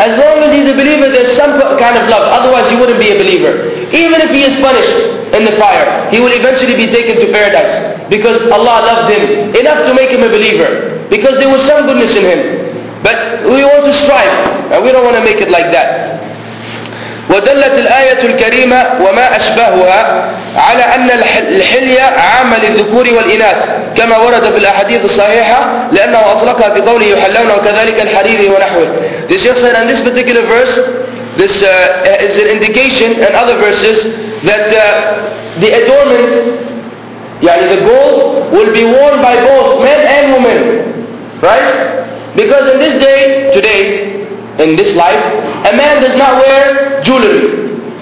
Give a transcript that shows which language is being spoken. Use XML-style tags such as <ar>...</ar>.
<en>As long as he's a believer, there's some kind of love. Otherwise, he wouldn't be a believer. Even if he is punished in the fire, he will eventually be taken to paradise. Because Allah loved him enough to make him a believer. Because there was some goodness in him. But we want to strive, and we don't want to make it like that.</en> <ar>ودلت الآية الكريمة وما أشبهها على أن الحلية عامة للذكور والإناث كما ورد في الأحاديث الصحيحة لأنه أطلقها في قوله يحلون وكذلك الحرير ونحوه.</ar> <en>This Shaykh said, and this particular verse, this is an indication in other verses that the adornment, يعني the gold, will be worn by both men and women, right? Because in this day, today, in this life, a man does not wear jewelry.</en>